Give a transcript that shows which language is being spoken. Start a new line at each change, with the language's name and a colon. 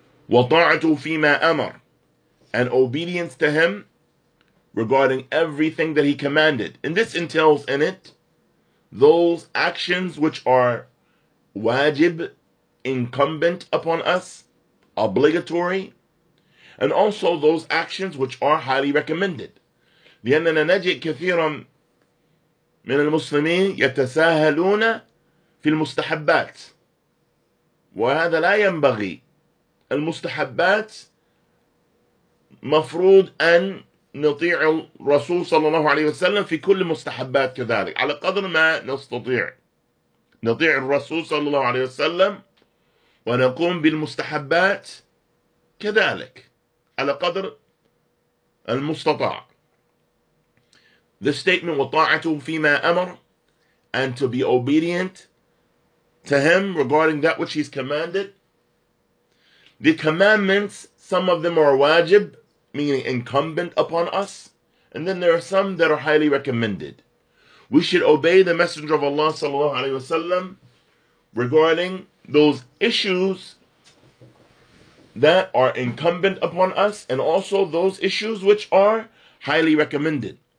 Arabic: وَطَاعَتُ فِيمَا أَمَرْ
English: And obedience to him, regarding everything that he commanded. And this entails in it those actions which are wajib, incumbent upon us, obligatory, and also those actions which are highly recommended.
Arabic: لأننا نجد كثيرا من المسلمين يتساهلون في المستحبات وهذا لا ينبغي المستحبات مفروض أن نطيع الرسول صلى الله عليه وسلم في كل مستحبات كذلك على قدر ما نستطيع نطيع الرسول صلى الله عليه وسلم ونقوم بالمستحبات كذلك على قدر المستطاع.
English: This statement
Arabic: وطاعته فيما أمر
English: and to be obedient to him regarding that which he's commanded. The commandments, some of them are wajib, meaning incumbent upon us. And then there are some that are highly recommended. We should obey the Messenger of Allah sallallahu alayhi wa sallam regarding those issues that are incumbent upon us and also those issues which are highly recommended.